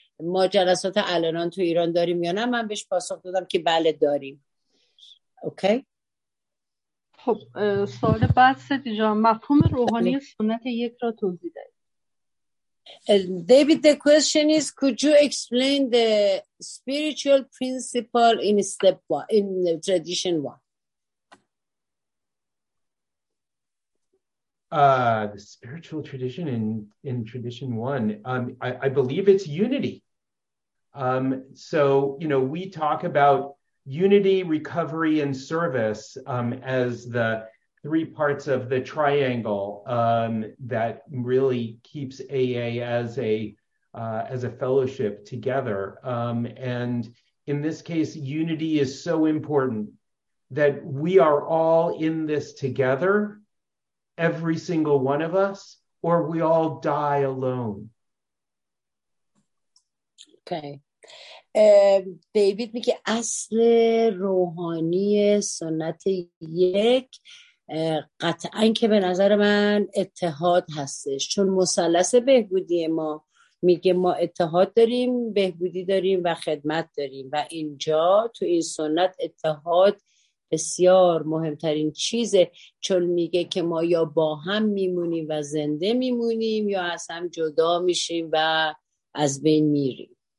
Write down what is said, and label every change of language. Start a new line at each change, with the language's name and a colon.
Persian: ما جلسات الانان تو ایران داریم یا نه، من بهش پاسخ دادم که بله داریم. اوکی؟ خب سوال بعد سدی جان، مفهوم روحانی سنت یک را توضیح دهید.
English: David, the question is, could you explain the spiritual principle in step one, in the tradition one? The spiritual tradition in tradition one, I believe it's unity. So, you know, we talk about unity, recovery, and service as the three parts of the triangle that really keeps AA as a fellowship together. And in this case, unity is so important that we are all in this together, every single one of us, or we all die alone. Okay.
Persian: David میگه اصل روحانی سنت یک قطعا که به نظر من اتحاد هستش، چون مثلث بهبودی ما میگه ما اتحاد داریم، بهبودی داریم و خدمت داریم، و اینجا تو این سنت اتحاد بسیار مهمترین چیزه، چون میگه که ما یا با هم میمونیم و زنده میمونیم یا از هم جدا میشیم و از بین میریم.